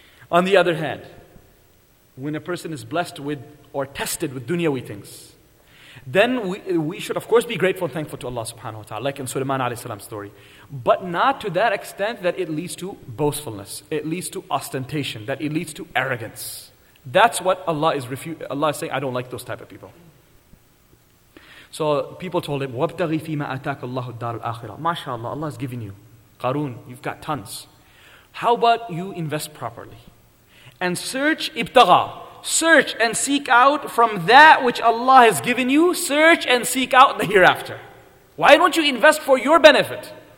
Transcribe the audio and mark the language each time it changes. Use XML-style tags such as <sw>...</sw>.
<en>On the other hand, when a person is blessed with or tested with dunyawi things, then we should of course be grateful and thankful to Allah subhanahu wa ta'ala, like in Sulaiman alayhi salam's story. But not to that extent that it leads to boastfulness, it leads to ostentation, that it leads to arrogance. That's what Allah is saying, I don't like those type of people. So people told him,</en> <ar>وَابْتَغِي فِي مَا أَتَاكَ اللَّهُ الدَّارُ الْآخِرَةِ.</ar> <en>MashaAllah, Allah has given you. Qarun, you've got tons. How about you invest properly? And search, ibtagha. Search and seek out from that which Allah has given you. Search and seek out the hereafter. Why don't you invest for your benefit?</en>